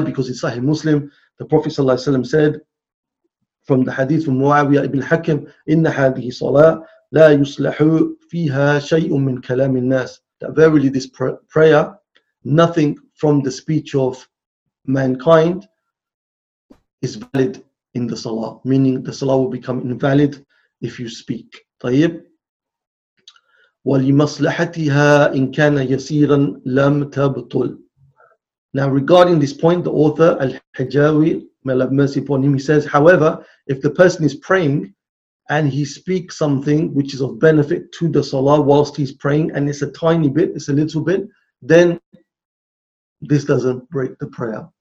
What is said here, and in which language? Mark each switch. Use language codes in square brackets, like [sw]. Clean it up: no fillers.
[en] Because in Sahih Muslim, the Prophet ﷺ said, from the hadith from Muawiyah ibn Hakim, [ar] "Inna hadhihi salah la yuslahu fiha shay'un min kalam an-nas." [en] That verily this prayer, nothing from the speech of mankind is valid in the salah, meaning the salah will become invalid if you speak. [ar] طيب. ولمصلحتها إن كان يسيرا لم تبطل. [en] Now regarding this point, the author Al-Hijawi, may Allah have mercy upon him, he says, however, if the person is praying and he speaks something which is of benefit to the salah whilst he's praying, and it's a tiny bit, it's a little bit, then this doesn't break the prayer.